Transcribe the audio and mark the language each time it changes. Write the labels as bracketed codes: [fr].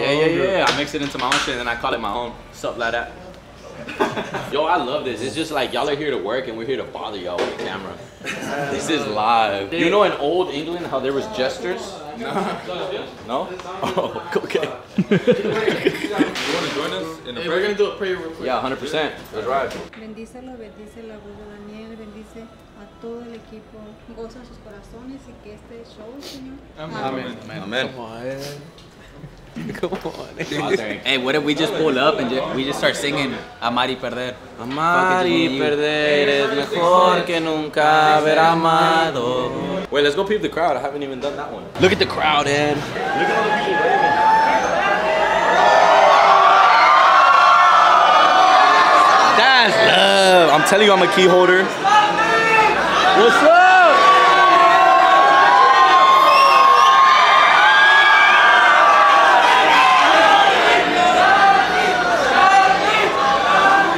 [en] Yeah, yeah, yeah. I mix it into my own shit and then I call it my own. Sup, like that. Yo, I love this. It's just like y'all are here to work and we're here to bother y'all with the camera. This is live. You know in old England how there was jesters? No. No? Oh, okay. You want to join us in a prayer? We're going to do a prayer real quick. Yeah, 100%. Let's ride. [es] Bendícelo, bendice la voz de Daniel, bendice a todo el equipo. Goza sus corazones y que este show, Señor. [en] Amen. Amen. Amen. Amen. Come on. Hey, what if we just pull up and we just start singing Amar y Perder? [es] Amar y Perder es mejor que nunca haber amado. [en] Wait, let's go peep the crowd. I haven't even done that one. Look at the crowd, man. Look at all the people waving. love. I'm telling you, I'm a key holder. What's up?